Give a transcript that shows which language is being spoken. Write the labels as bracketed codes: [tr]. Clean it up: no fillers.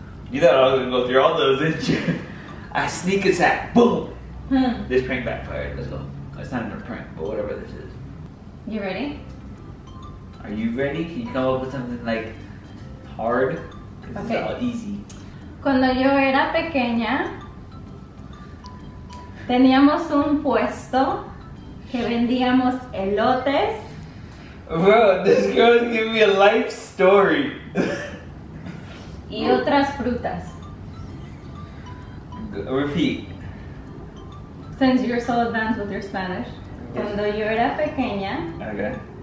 [en] You thought I was gonna go through all those, didn't you? I sneak attack. Boom. This prank backfired. Let's go. It's not even a prank, but whatever this is. You ready? Are you ready? Can you come up with something like hard? Because okay. It's all easy. [es] Cuando yo era pequeña, teníamos un puesto que vendíamos elotes. [en] Bro, this girl's giving me a life story. [es] Y otras frutas. [en] Repeat. Since you're so advanced with your Spanish, [es] cuando yo era pequeña, [en] okay.